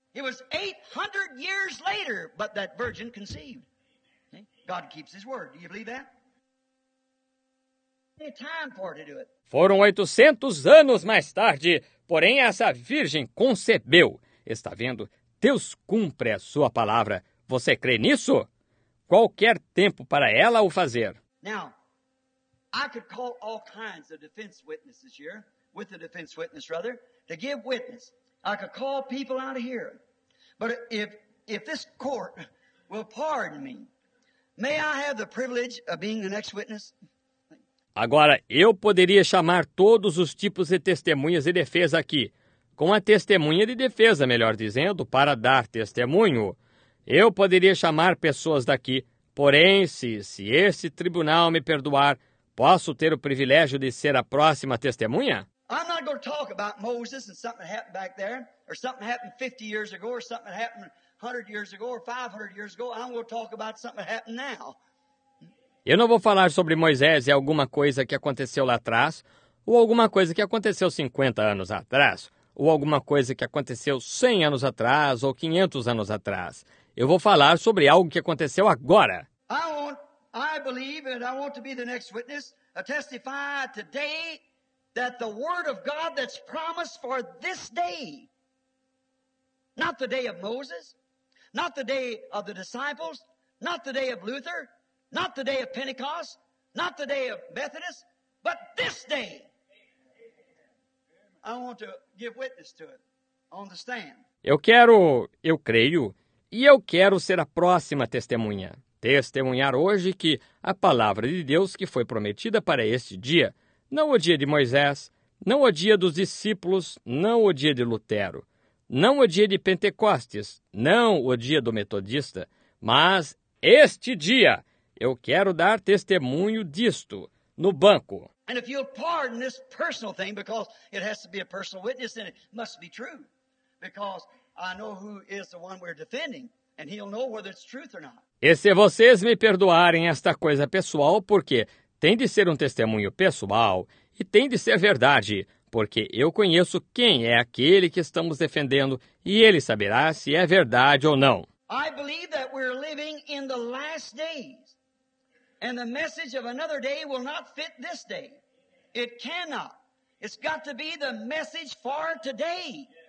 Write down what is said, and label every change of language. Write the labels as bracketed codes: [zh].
[en] It was 800 years later, but that virgin conceived. God keeps his word. Do you believe that? Any time for her to do it. [pt] Foram 800 anos mais tarde, porém essa virgem concebeu. Está vendo? Deus cumpre a sua palavra. Você crê nisso? Qualquer tempo para ela o fazer. [en] Now, I could call all kinds of defense witnesses here, with a defense witness, rather, to give witness. I could call people out of here. But if this court will pardon me, may I have the privilege of being the next witness? [pt] Agora, eu poderia chamar todos os tipos de testemunhas de defesa aqui, com a testemunha de defesa, melhor dizendo, para dar testemunho. Eu poderia chamar pessoas daqui, porém, se esse tribunal me perdoar, posso ter o privilégio de ser a próxima testemunha? [en] I'm not going to talk about Moses and something happened back there, or something happened 50 years ago, or something happened 100 years ago, or 500 years ago. I'm going to talk about something that happened now. [pt] Eu não vou falar sobre Moisés e alguma coisa que aconteceu lá atrás, ou alguma coisa que aconteceu 50 anos atrás, ou alguma coisa que aconteceu 100 anos atrás, ou 500 anos atrás. Eu vou falar sobre algo que aconteceu agora. [en] I believe and I want to be the next witness, a testify today, that the word of God that's promised for this day, not the day of Moses, not the day of the disciples, not the day of Luther, not the day of Pentecost, not the day of Methodist, but this day, I want to give witness to it on the stand. [pt] Eu creio E eu quero ser a próxima testemunha. Testemunhar hoje que a palavra de Deus que foi prometida para este dia, não o dia de Moisés, não o dia dos discípulos, não o dia de Lutero, não o dia de Pentecostes, não o dia do metodista, mas este dia, eu quero dar testemunho disto no banco. [en] And if you'll pardon this personal thing, because it has to be a personal witness, and it must be true, because I know who is the one we're defending, and he'll know whether it's truth or not. [pt] E se vocês me perdoarem esta coisa pessoal, porque tem de ser um testemunho pessoal, e tem de ser verdade, porque eu conheço quem é aquele que estamos defendendo, e ele saberá se é verdade ou não. [en] I believe that we're living in the last days. And the message of another day will not fit this day. It cannot. It's got to be the message for today.